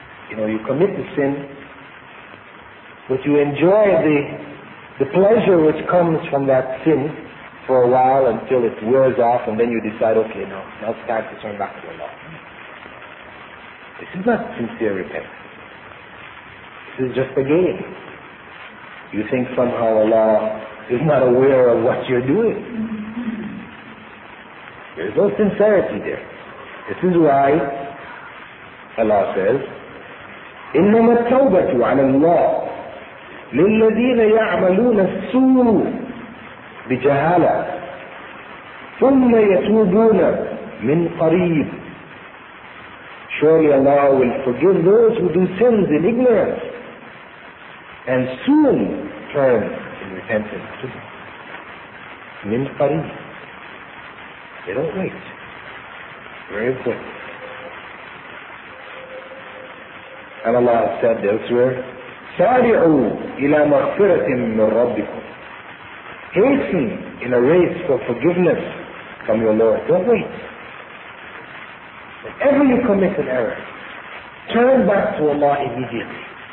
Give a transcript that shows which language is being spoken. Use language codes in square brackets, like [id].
[en] You know, you commit the sin, but you enjoy the pleasure which comes from that sin for a while until it wears off, and then you decide, okay, now it's time to turn back to Allah. This is not sincere repentance. This is just a game. You think somehow Allah is not aware of what you're doing. There's no sincerity there. This is why Allah says, [ar] إِنَّمَا التَّوْبَةُ عَلَى اللَّهِ لِلَّذِينَ يَعْمَلُونَ السُّوءُ بجهالة ثم يتوبون من قريب. [en] Surely Allah will forgive those who do sins in ignorance and soon turn in repentance to Him. [ar] من قريب. [en] They don't wait. Very important. And Allah said elsewhere, [ar] سارعوا إلى مغفرة من ربكم. [en] Hasten in a race for forgiveness from your Lord. Don't wait. Whenever you commit an error, turn back to Allah immediately.